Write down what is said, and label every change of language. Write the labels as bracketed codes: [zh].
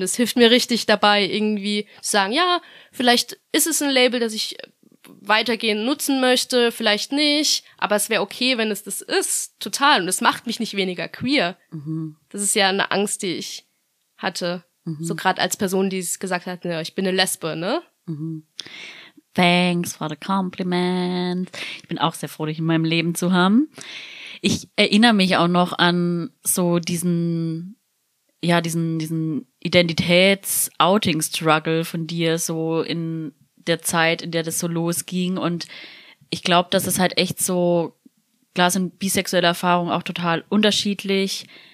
[de] Das hilft mir richtig dabei, irgendwie zu sagen, ja, vielleicht ist es ein Label, das ich weitergehend nutzen möchte, vielleicht nicht, aber es wäre okay, wenn es das ist, total. Und es macht mich nicht weniger queer. Das ist ja eine Angst, die ich hatte, so gerade als Person, die gesagt hat, ja, ich bin eine Lesbe, ne? [en] Thanks for the compliment. [de] Ich bin auch sehr froh, dich in meinem Leben zu haben. Ich erinnere mich auch noch an so diesen, ja, diesen Identitäts-Outing-Struggle von dir so in der Zeit, in der das so losging. Und ich glaube, dass es halt echt so, klar sind bisexuelle Erfahrungen auch total unterschiedlich.